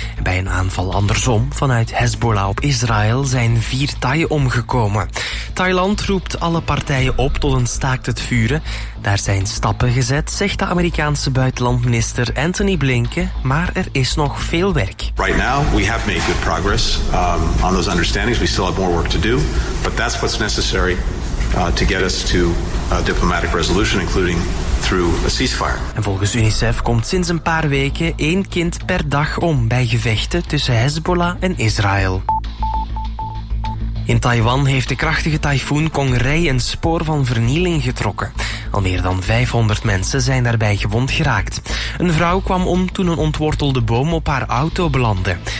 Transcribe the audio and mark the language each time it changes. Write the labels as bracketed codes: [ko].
[nl] Bij een aanval andersom, vanuit Hezbollah op Israël, zijn 4 Thaï omgekomen. Thailand roept alle partijen op tot een staakt het vuren. Daar zijn stappen gezet, zegt de Amerikaanse buitenlandminister Antony Blinken, maar er is nog veel werk. [en] Right now we have made good progress on those understandings. We still have more work to do, but that's what's necessary to get us to a diplomatic resolution, including through a ceasefire. [nl] En volgens UNICEF komt sinds een paar weken 1 kind per dag om bij gevechten tussen Hezbollah en Israël. In Taiwan heeft de krachtige tyfoon Kongrei een spoor van vernieling getrokken. Al meer dan 500 mensen zijn daarbij gewond geraakt. Een vrouw kwam om toen een ontwortelde boom op haar auto belandde.